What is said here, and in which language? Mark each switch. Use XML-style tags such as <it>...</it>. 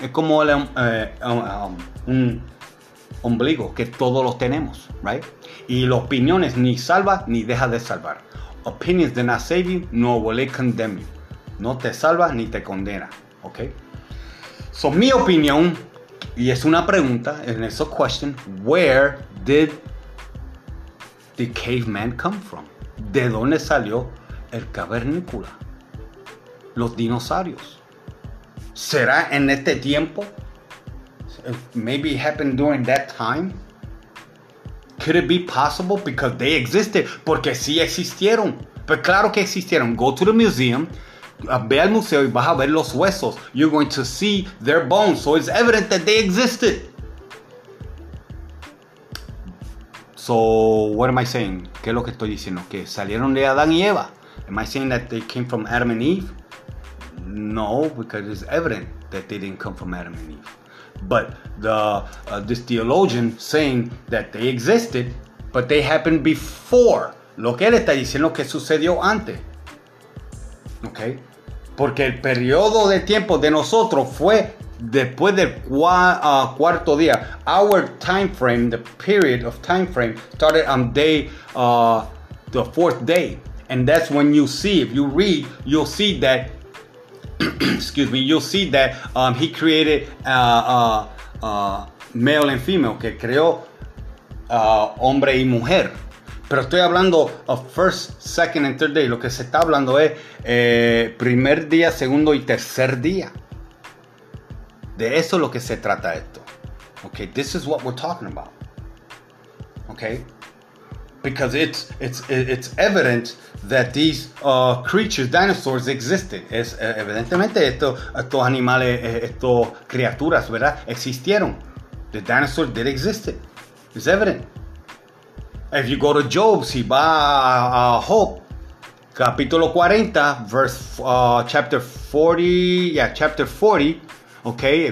<es>Es como un ombligo que todos los tenemos. Right? Y las opiniones ni salva ni deja de salvar.</es> <en>Opinions do not save you, nor will it condemn you.</en> <es>No te salva ni te condena.</es> <en>Okay? So,</en> <es>mi opinión, y es una pregunta,</es> <en>and it's a question, where did the caveman come from?</en> <es>¿De dónde salió el cavernícola? Los dinosaurios. ¿Será en este tiempo?</es> <en>Maybe it happened during that time. Could it be possible because they existed?</en> <es>Porque sí existieron. Pero claro que existieron.</es> <en>Go to the museum.</en> <es>Ve al museo y vas a ver los huesos.</es> <en>You're going to see their bones. So it's evident that they existed. So what am I saying?</en> <es>¿Qué es lo que estoy diciendo? Que salieron de Adán y Eva.</es> <en>Am I saying that they came from Adam and Eve? No, because it's evident that they didn't come from Adam and Eve. But this theologian saying that they existed, but they happened before.</en> <es>Lo que él está diciendo que sucedió antes. Okay? Porque el periodo de tiempo de nosotros fue después del cuarto día.</es> <en>Our time frame, the period of time frame, started on day, the fourth day. And that's when you see, if you read, you'll see that excuse me, you'll see that he created male and female,</en> <es>que creó hombre y mujer. Pero estoy hablando</es> <en>of first, second, and third day.</en> <es>Lo que se está hablando es primer día, segundo y tercer día. De eso es lo que se trata esto.</es> <en>Okay, this is what we're talking about. Okay? Because it's evident that these creatures, dinosaurs, existed.</en> <es>Es evidentemente estos animales, estos criaturas, ¿verdad? Existieron.</es> <en>The dinosaurs did exist. It's evident. If you go to Job,</en> <es>si va a Job, capítulo 40,</es> <en>chapter 40, okay?</en>